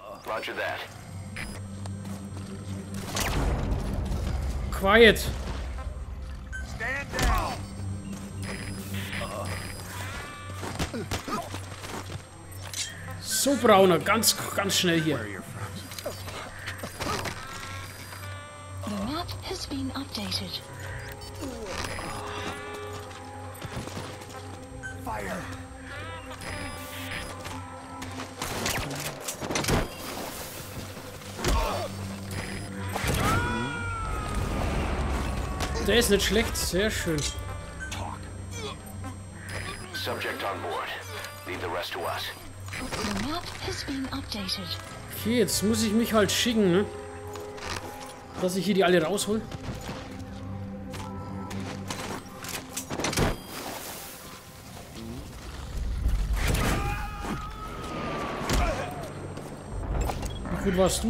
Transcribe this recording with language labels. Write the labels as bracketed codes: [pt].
[en] Roger that. Quiet! Stand down. [de] So, Brauner, ganz, ganz schnell hier. [en] The map has been updated. Fire! [de] Der ist nicht schlecht, sehr schön. [en] Subject on board. Leave the rest to us. The map has been updated. [de] Okay, jetzt muss ich mich halt schicken, ne? Dass ich hier die alle raushol. Wie gut warst du?